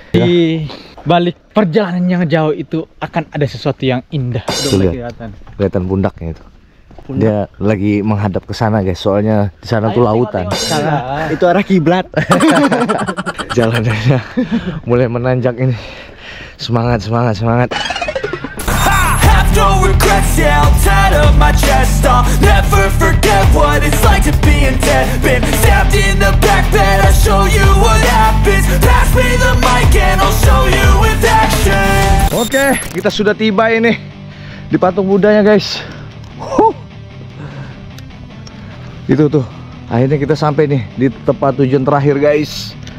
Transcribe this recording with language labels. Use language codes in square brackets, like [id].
[id] Di balik perjalanan yang jauh itu akan ada sesuatu yang indah. Kelihatan pundaknya itu. Pundak. Dia lagi menghadap ke sana guys, soalnya di sana tuh lautan. Tengok. Itu arah kiblat. Jalannya mulai menanjak ini. Semangat. [en] Have no regrets, yeah, I'll tie up my chest. I'll never forget what it's like to be in debt. Been stabbed in the back bed, I'll show you what happens. Pass me the mic and I'll show you with action. [id] Oke, kita sudah tiba ini di patung Buddha-nya guys. Itu tuh, akhirnya kita sampai nih di tempat tujuan terakhir guys.